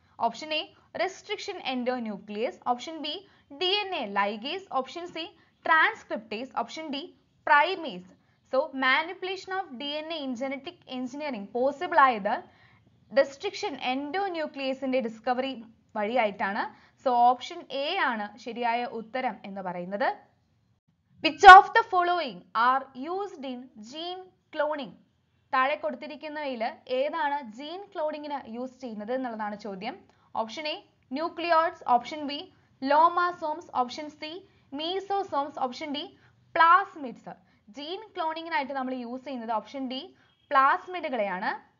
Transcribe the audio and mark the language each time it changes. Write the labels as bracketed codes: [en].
[ml] Option A restriction endo nucleus, option B D N A ligase, option C transcriptase, option D primase. So manipulation of D N A in genetic engineering possible ആയത് restriction endo ന്യൂക്ലിയസിൻ്റെ discovery വഴിയായിട്ടാണ്. So option A ആണ് ശരിയായ ഉത്തരം എന്ന് പറയുന്നത്. [en] Which of the following are used in gene cloning? [ml] താഴെ കൊടുത്തിരിക്കുന്നവയിൽ ഏതാണ് gene ക്ലോണിങ്ങിന് use ചെയ്യുന്നത് എന്നുള്ളതാണ് ചോദ്യം. Option A ന്യൂക്ലിയോയിഡ്സ്, option B ലോമാസോംസ്, option C mesosomes, option D plasmids. Gene ക്ലോണിങ്ങിനായിട്ട് നമ്മൾ യൂസ് ചെയ്യുന്നത് ഓപ്ഷൻ ഡി പ്ലാസ്മിഡുകളെയാണ്.